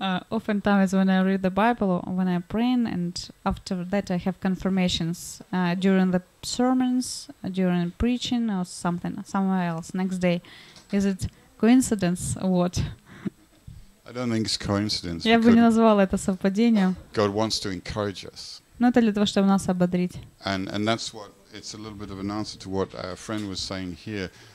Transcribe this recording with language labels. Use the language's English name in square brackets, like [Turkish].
[English] Oftentimes when I read the Bible, when I pray, and after that I have confirmations during the sermons, during preaching or something, somewhere else, next day. Is it coincidence or what? I don't think it's coincidence. [Russian] Я бы не назвала это совпадением. [English] God wants to encourage us. [Russian] Но это для того, чтобы нас ободрить. [English] And that's what, it's a little bit of an answer to what our friend was saying here.